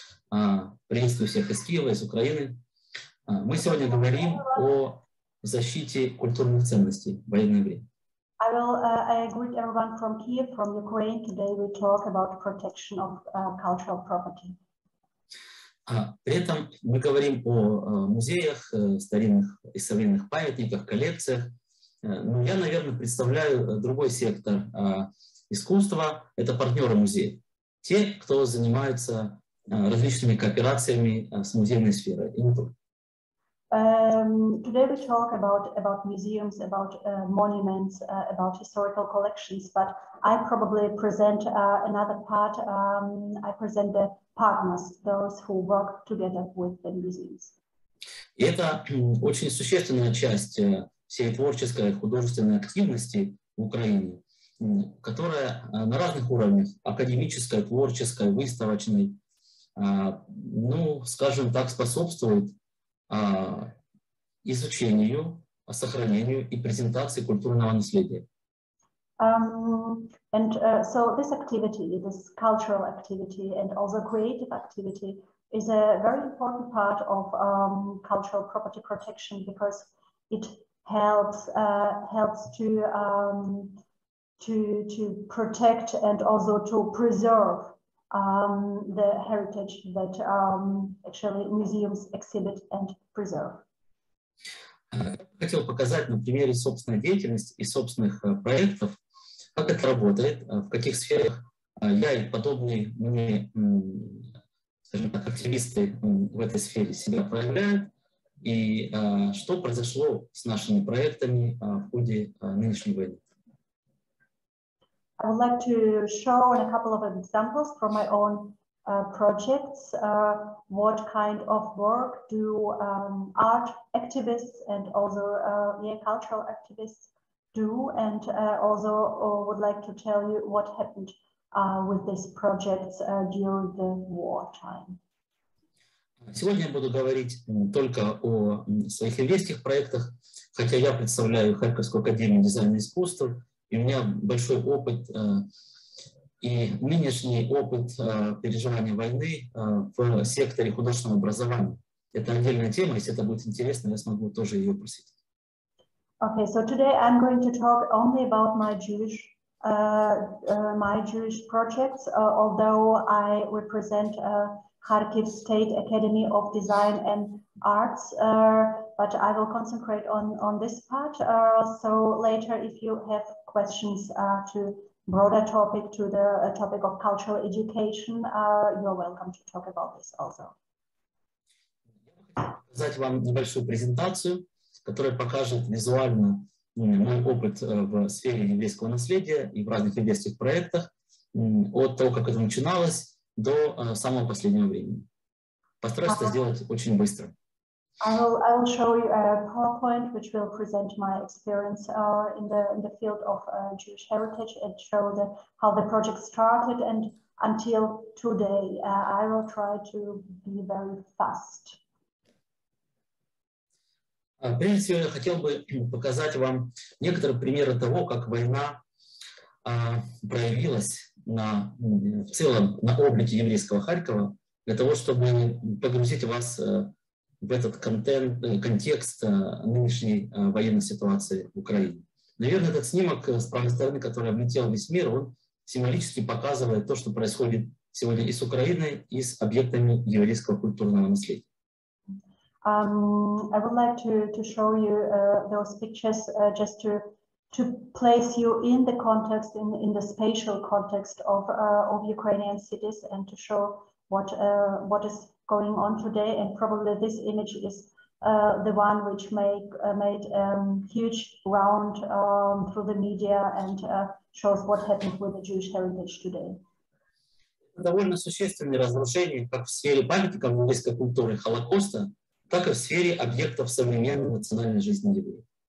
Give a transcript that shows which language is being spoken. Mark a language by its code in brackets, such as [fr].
[ru] Приветствую всех из Киева, из Украины. Мы сегодня говорим о защите культурных ценностей в военное время. [en] I greet everyone from Kiev, from Ukraine. Today we talk about protection of cultural property. [ru] При этом мы говорим о музеях, старинных и современных памятниках, коллекциях. Но я, наверное, представляю другой сектор искусства. Это партнеры музея. Те, кто занимаются различными кооперациями с музейной сферой. [en] Today we talk about museums, about monuments, about historical collections, but I probably present another part. I present the partners, those who work together with the museums. [ru] Это очень существенная часть всей творческой художественной активности в Украине, которая на разных уровнях, академической, творческой, выставочной, ну, скажем так, способствует изучению, сохранению и презентации культурного наследия. [en] So this activity, this cultural activity and also creative activity is a very important part of cultural property protection because it helps to protect and also to preserve the heritage that actually museums exhibit and preserve. [ru] Хотел показать на примере собственной деятельности и собственных проектов, как это работает, в каких сферах я и подобные мне, скажем так, активисты в этой сфере себя проявляют, и что произошло с нашими проектами в ходе нынешней войны. [en] I would like to show a couple of examples from my own projects. What kind of work do art activists and also cultural activists do? And also would like to tell you what happened with these projects during the wartime. [ru] Сегодня я буду говорить только о своих инвестиционных проектах, хотя я представляю Харьковскую академию дизайна и искусства. И у меня большой опыт и нынешний опыт переживания войны в секторе художественного образования. Это отдельная тема, если это будет интересно, я смогу тоже ее просить. [en] Okay, so today I'm going to talk only about my Jewish projects, although I represent Kharkiv State Academy of Design and Arts, but I will concentrate on this part. So later, if you have questions to broader topic, to the topic of cultural education, you're welcome to talk about this also. [ru] Показать вам небольшую презентацию, которая покажет визуально мой опыт в сфере еврейского наследия и в разных еврейских проектах от того, как это начиналось, до самого последнего времени. Постараюсь это сделать очень быстро. [en] I will show you a PowerPoint, which will present my experience in the field of Jewish heritage and show the how the project started and until today. I will try to be very fast. [ru] Прежде всего, я хотел бы показать вам некоторые примеры того, как война проявилась на в целом на облике еврейского Харькова, для того чтобы погрузить вас в этот контекст нынешней военной ситуации в Украине. Наверное, этот снимок с правой стороны, который облетел весь мир, он символически показывает то, что происходит сегодня и с Украиной, и с объектами еврейского культурного наследия. [en] I would like to show you those pictures just to place you in the context, in the spatial context of Ukrainian cities and to show what is going on today, and probably this image is the one which made huge round through the media and shows what happened with the Jewish heritage today. [ru] Довольно существенные разрушения как в сфере памятника еврейской культуры Холокоста, так и в сфере объектов современной национальной жизни евреев.